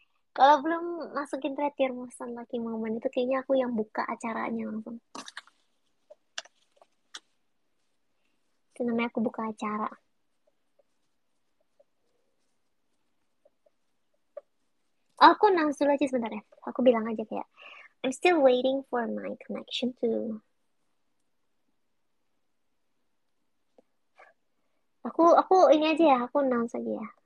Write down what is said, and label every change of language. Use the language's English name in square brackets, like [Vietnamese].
[Indonesian] Kalau belum masukin Red Rumah Sun Lucky Moment itu kayaknya aku yang buka acaranya langsung. Itu namanya aku buka acara. Aku nangis dulu aja sebentar ya. Aku bilang aja kayak, [English] I'm still waiting for my connection to... [Indonesian] Aku ini aja ya, aku announce aja ya.